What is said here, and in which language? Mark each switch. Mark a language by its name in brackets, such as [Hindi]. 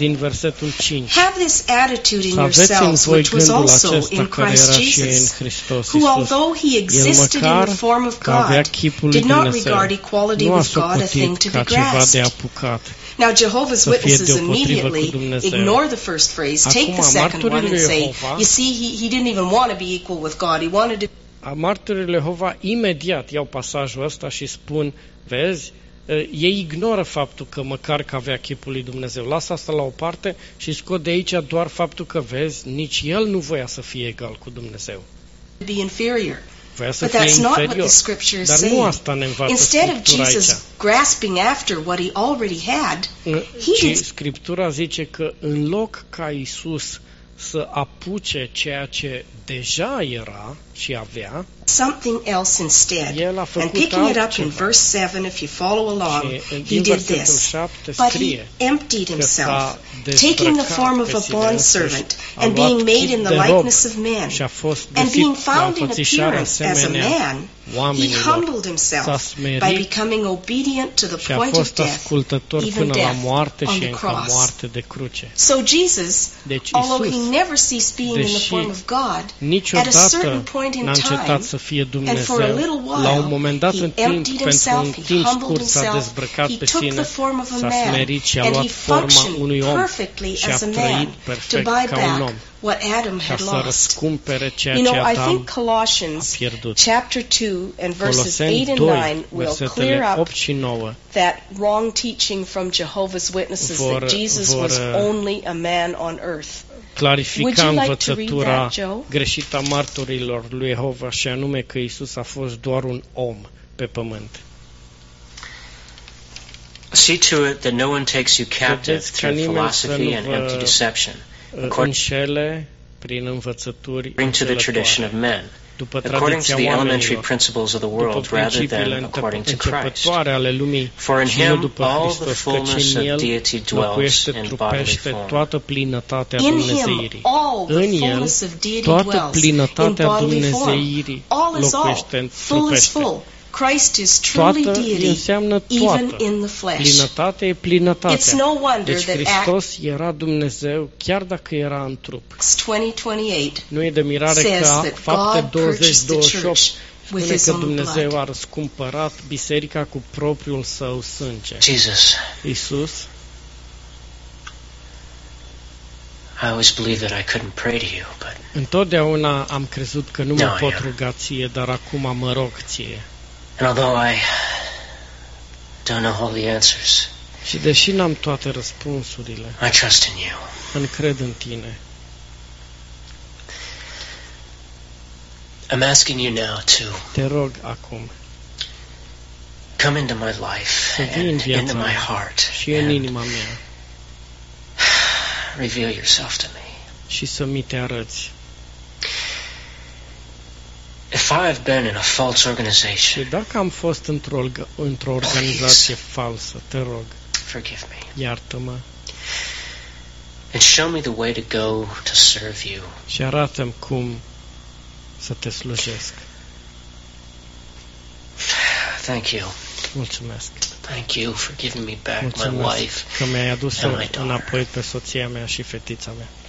[English] Have this attitude in yourselves, which was also in Christ Jesus, who, although he existed in the form of God, did not regard equality with God a thing to be grasped. Now, Jehovah's Witnesses immediately ignore the first phrase, take the second one, and say, you see, he didn't even want to be equal with God, he wanted to... [Romanian] Martorii lui Jehova imediat iau pasajul ăsta și spun, vezi, ei ignoră faptul că măcar că avea chipul lui Dumnezeu. Lasă asta la o parte și scot de aici doar faptul că, vezi, nici el nu voia să fie egal cu Dumnezeu. Voia să fie inferior. Dar nu asta ne învață Scriptura aici. [English] Grasping after what he already had, [Romanian] Scriptura zice că în loc ca Iisus să apuce ceea ce deja era și avea, [English] something else instead. [Romanian] El a făcut [English] and picking it up [Romanian] ceva. [English] In verse 7, if you follow along, he did this. But he emptied himself, taking the form of a bondservant, and being made in the likeness of men. And being found in appearance as a man, he humbled himself by becoming obedient to the point of death, even death on the cross. So Jesus, although he never ceased being in the form of God, at a certain point in time, [Romanian] să fie Dumnezeu. La un moment dat, în timp, pentru un timp scurt, s-a dezbrăcat pe sine, s-a smerit și a luat forma unui om și a trăit perfect ca un om. [English] What Adam had lost. You know, I think Colossians chapter 2 and verses 8 and 9 will clear up that wrong teaching from Jehovah's Witnesses that Jesus was only a man on earth. [Romanian] Clarifica învățătura greșită a martorilor lui Jehova, și anume că Iisus a fost doar un om pe pământ. [English] See to it that no one takes you captive through philosophy and empty deception. According to the tradition of men, according to the elementary principles of the world rather than according to Christ. For in him all the fullness of deity dwells in bodily form. In him all the fullness of deity dwells in bodily form. All is all, full is full. Christ is truly deity, even in the flesh. [Romanian] Plinătatea e plinătatea. [English] It's no wonder [Romanian] deci Hristos era Dumnezeu chiar dacă era în trup. [English] Acts 20:28 [Romanian] nu e de mirare că Fapte 20:28 spune că Dumnezeu a răscumpărat biserica cu propriul său sânge. [English] Jesus. [Romanian] Iisus. [English] I always believed that I couldn't pray to you, but [Romanian] întotdeauna am crezut că nu mă pot ruga ție, dar acum mă rog ție. [English] And although I don't know all the answers, [Romanian] și deși n-am toate răspunsurile, [English] I trust in you. [Romanian] Încred în tine. [English] I'm asking you now to [Romanian] te rog acum, [English] come into my life and into my heart [Romanian] și în inima mea. [English] Reveal yourself to me. [Romanian] Și să mi te arăți. [English] If I have been in a false organization, [Romanian] și dacă am fost într-o organizație falsă, te rog, [English] forgive me. [Romanian] Iartă-mă. [English] And show me the way to go to serve you. [Romanian] Și arată-mi cum să te slujesc. [English] Thank you. [Romanian] Mulțumesc. [English] Thank you for giving me back [Romanian] mulțumesc [English] my wife. [Romanian] Că mi-ai adus înapoi pe soția mea și fetița mea.